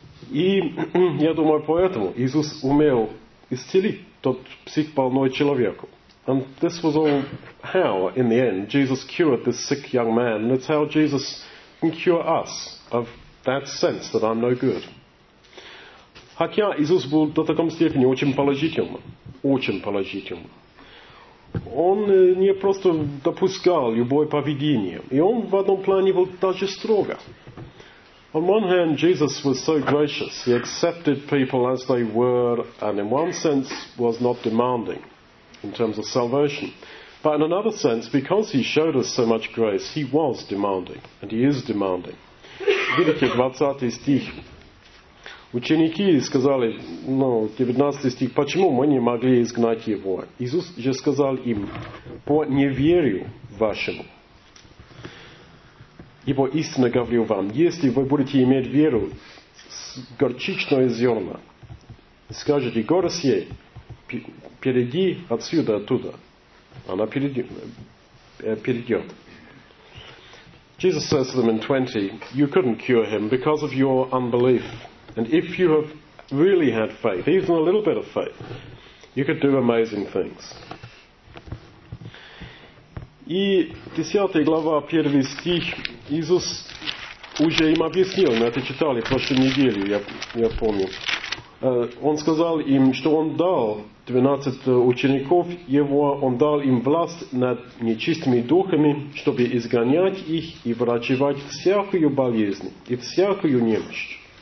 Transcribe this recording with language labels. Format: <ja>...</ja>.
<ru>И я думаю, поэтому Иисус умел исцелить тот психбольной человеку.</ru> <en>And this was all how, in the end, Jesus cured this sick young man. And it's how Jesus can cure us of that sense that I'm no good.</en> <ru>Хотя Иисус был до такой степени очень положительным, очень положительным. Он не просто допускал любое поведение. И он в одном плане был даже строго.</ru> <en>On one hand, Jesus was so gracious. He accepted people as they were and in one sense was not demanding. In terms of salvation. But in another sense, because he showed us so much grace, he was demanding, and he is demanding.</en> <ru>Видите, 20 стих. Ученики сказали, ну, 19 стих, почему мы не могли изгнать его? Иисус же сказал им, по неверию вашему. Ибо истинно говорю вам, если вы будете иметь веру с горчичного зерна, скажете, гора сей, перейди отсюда, оттуда. Она перейдет.</ru> <en>Jesus says to them in 20, you couldn't cure him because of your unbelief. And if you have really had faith, even a little bit of faith, you could do amazing things.</en> <ru>И 10 глава, 1 стих, Иисус уже им объяснил, мы это читали в прошлой неделе, я помню. Он сказал им, что он дал 12 учеников его, он дал им власть над нечистыми духами, чтобы изгонять их и врачевать всякую болезнь и всякую немощь.</ru>